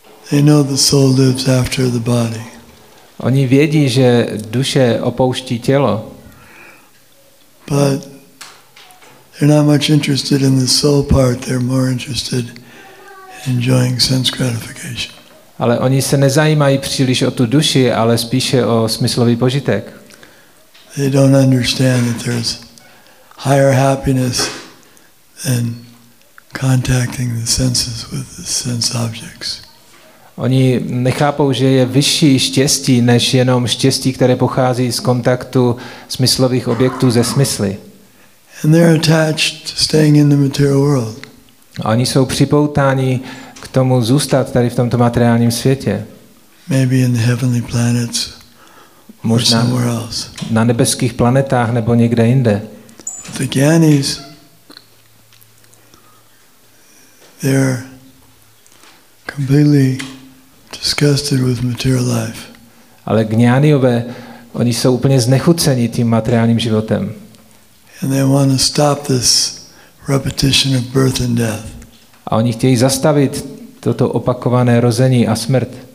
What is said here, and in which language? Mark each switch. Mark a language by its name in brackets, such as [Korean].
[English] They know the soul lives after the body. [Czech] Oni vědí, že duše opouští tělo. [English] But they're not much interested in the soul part. They're more interested in enjoying sense gratification. [Czech] Ale oni se nezajímají příliš o tu duši, ale spíše o smyslový požitek. [English] They don't understand that there's higher happiness than contacting the senses with the sense objects. [Czech] Oni nechápou, že je vyšší štěstí než jenom štěstí, které pochází z kontaktu smyslových objektů ze smysly. [English] And they're attached to staying in the material world. [Czech] Oni jsou připoutáni k tomu zůstat tady v tomto materiálním světě. [English] Maybe in the heavenly planets. [Czech] Možná na nebeských planetách nebo někde jinde. [English] The jnanis, they're completely disgusted with material life. [Czech] Ale jnaniové, oni jsou úplně znechuceni tím materiálním životem. [English] And they want to stop this repetition of birth and death. [Czech] A oni chtějí zastavit toto opakované rození a smrt.